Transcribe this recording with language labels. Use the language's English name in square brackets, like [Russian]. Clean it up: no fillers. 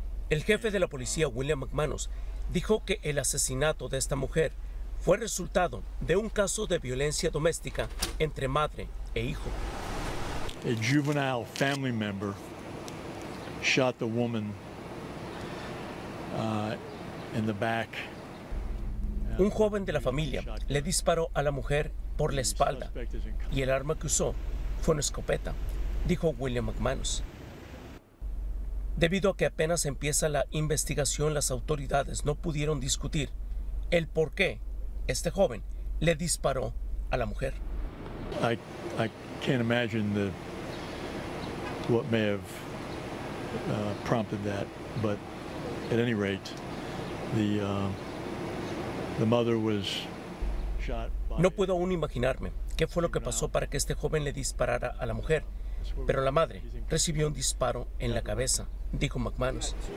[Spanish] El jefe de la policía, William McManus, dijo que el asesinato de esta mujer fue resultado de un caso de violencia doméstica entre madre e hijo. [English] A juvenile family member shot the woman in the back. [Spanish] Un joven de la familia le disparó a la mujer por la espalda y el arma que usó fue una escopeta, dijo William McManus. Debido a que apenas empieza la investigación, las autoridades no pudieron discutir el por qué este joven le disparó a la mujer. [English] I can't imagine what may have prompted that, but at any rate, the mother was shot by... [Spanish] No puedo aún imaginarme qué fue lo que pasó para que este joven le disparara a la mujer, pero la madre recibió un disparo en la cabeza, dijo McManus.